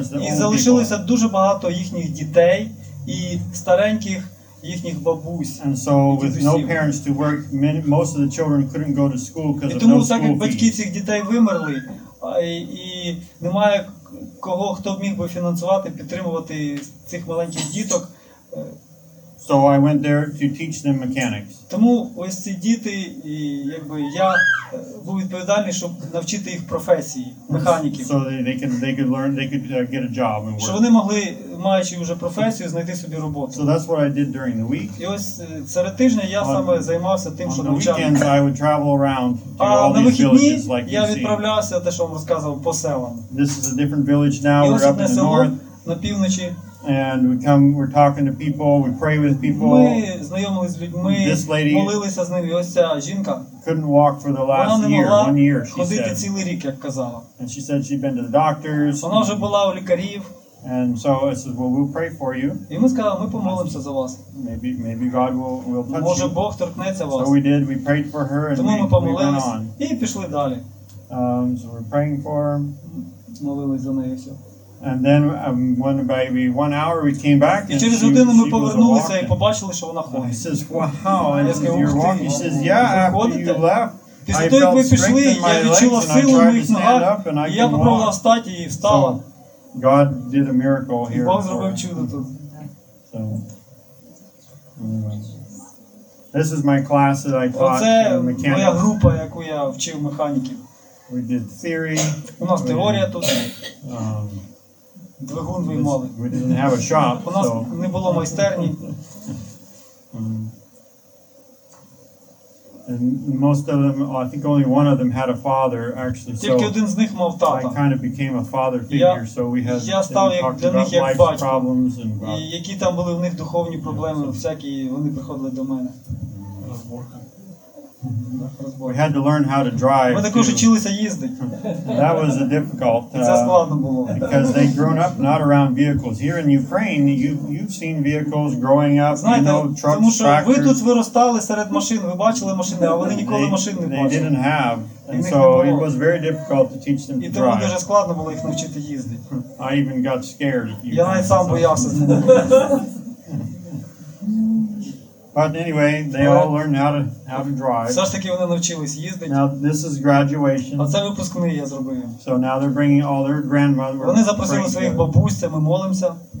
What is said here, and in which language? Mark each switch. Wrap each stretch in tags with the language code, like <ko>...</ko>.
<uk>І залишилося дуже багато їхніх дітей і стареньких їхніх бабусь.</uk> <en>And so with no parents to work, most of the children couldn't go to school because of no school fees.</en> <uk>так, як батьки цих дітей вимерли, і немає кого, хто б міг би фінансувати, підтримувати цих маленьких діток.</uk> <en>So I went there to teach them mechanics.</en> <uk>Тому ось ці діти, і якби я був відповідальний, щоб навчити їх професії механіків.</uk> <en>So they could learn, they could get a job and work.</en> <uk>Щоб вони могли, маючи вже професію, знайти собі роботу.</uk> <en>So that's what I did during the week.</en> <uk>І ось серед тижня я саме займався тим, що навчав.</uk> <en>On the weekends I would travel around to all these villages like you see.</en> <uk>Я відправлявся, те, що вам розказував, по селам.</uk> <en>This is a different village now, we're up in the north.</en> <uk>На півночі.</uk> <en>And we're talking to people, we pray with people.</en> <uk>Ми знайомились з людьми,</uk> <en>this lady</en> <uk>молилися з ними. Ось ця жінка.</uk> <en>Couldn't walk for the last year, 1 year, she</en> <uk>ходити</uk> <en>said.</en> <uk>Цілий рік, як казала.</uk> <en>And she said she'd been to the doctors.</en> <uk>Вона вже була у лікарів.</uk> <en>And so I said, well, we'll pray for you.</en> <uk>І ми сказали, ми помолимося за вас.</uk> <en>Maybe God will touch</en> <uk>Може</uk> <en>you.</en> <uk>Бог торкнеться вас.</uk> <en>So we did, we prayed for her and</en> <uk>Тому</uk> <en>we went on.</en> <uk>І пішли далі.</uk> <en>So we're praying for her.</en> <uk>Молились за неї все.</uk> <en>And then when maybe 1 hour we came back and</en> <uk>через годину ми повернулися і побачили, що вона ходить.</uk> <en>He says, wow, and you're walking. He says, yeah, after you left,</en> <uk>після того, як ми пішли, я відчула силу в моїх ногах, і я попробувала встати і встала.</uk> <en>God did a miracle here.</en> <uk>І Бог зробив чудо тут.</uk> <en>So, this is my class that I taught mechanics.</en> <uk>Моя група, яку я вчив механіків.</uk> <en>We did theory.</en> <uk>У нас теорія тут. Двигун виймали.</uk> <en>We didn't have a shop,</en> <uk>у нас</uk> <en>so.</en> <uk>Не було майстерні.</uk> <en>And most of them, I think only one of them had a father, actually.</en> <uk>Тільки один з них мав тата.</uk> <en>I kind of became a father figure, so we had talked about life's problems.</en> <uk>І які там були в них духовні проблеми, всякі, вони приходили до мене. Розборка.</uk> <en>We had to learn how to drive.</en> <uk>Ми також вчилися їздити.</uk> <en>That was a difficult.</en> <uk>Це складно було.</uk> <en>Because they grown up not around vehicles. Here in Ukraine, you've seen vehicles growing up.</en> <uk>Знаєте,</uk> <en>you know, trucks,</en> <uk>тому що</uk> <en>tractors.</en> <uk>Ви тут виростали серед машин, ви бачили машини, а вони ніколи машин не бачили.</uk> <en>They didn't have. And so it was very difficult to teach them to drive.</en> <uk>І тому дуже складно було їх навчити їздити.</uk> <en>I even got scared.</en> <uk>Я навіть сам боявся.</uk> <en>But anyway, they all learned how to drive.</en> <uk>Все ж таки вони навчились їздити.</uk> <en>Now this is graduation.</en> <uk>Оце випускний, я зробив.</uk> <en>So now they're bringing all their grandmother.</en> <uk>Вони запросили своїх бабусь, ми молимося.</uk>